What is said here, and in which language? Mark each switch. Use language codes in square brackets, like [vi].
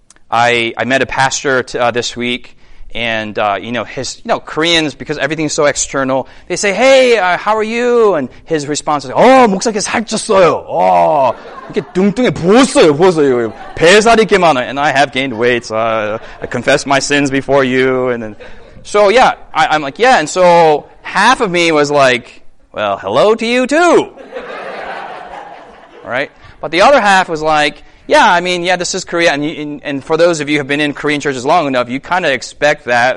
[en] I met a pastor this week, and Koreans, because everything is so external, they say, "Hey, how are you?" And his response is, "Oh, [ko] 목사님 살쪘어요. 어, 이렇게 뚱뚱해 부었어요, 부었어요. 배살이 이렇게 많아. [en] And I have gained weight. So I confess my sins before you." And then, so yeah, I'm like, yeah. And so half of me was like, "Well, hello to you too." Right? But the other half was like, yeah, I mean, yeah, this is Korea. And for those of you who have been in Korean churches long enough, you kind of expect that.